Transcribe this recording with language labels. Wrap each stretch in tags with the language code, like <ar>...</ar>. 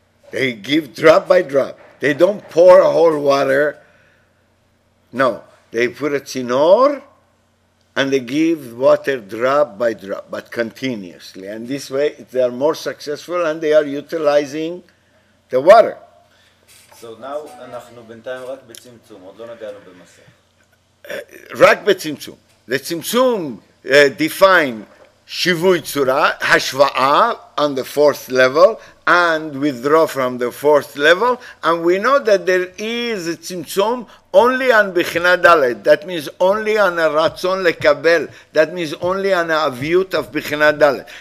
<en>They give drop by drop. They don't pour a whole water. No, they put a tzinor and they give water drop by drop, but continuously. And this way they are more successful and they are utilizing the water.</en> <he>So now, אנחנו בינתיים רק בצמצום, עוד לא נגענו במסך. רק בצמצום.</he> <en>The צמצום define Shivui Tzura, Hashva'a, on the fourth level, and withdraw from the fourth level. And we know that there is a Tzimtzum only on Bechina Dalet. That means only on a Ratzon Lekabel. That means only on a Aviyut of Bechina Dalet.</en>